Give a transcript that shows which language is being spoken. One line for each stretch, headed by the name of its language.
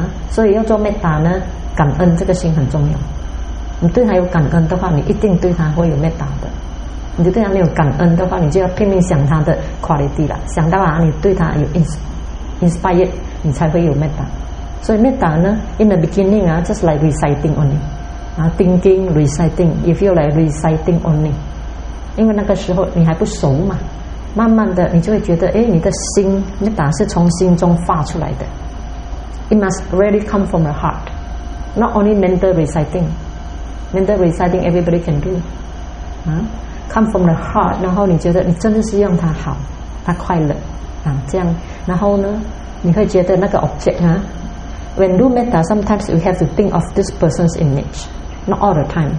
Chinese: 所以要做 metta 呢，感恩这个心很重要。你对她有感恩的话，你一定对她会有 metta 的。你对她没有感恩的话，你就要拼命想她的 quality 了。想到你对她有 inspire， 你才会有 metta。
English: So metta, in the beginning, just like reciting only. Thinking, reciting, you feel like reciting only.
Chinese: 因为那个时候你还不熟嘛，慢慢的你就会觉得，你的心 metta 是从心中发出来的。
English: It must really come from the heart, not only mental reciting. Mental reciting everybody can do. Come from the heart,
Chinese: 然后你觉得你真的是让它好，它快乐，这样，然后呢，你会觉得那个
English: object, When do metta, sometimes we have to think of this person's image. not all the time.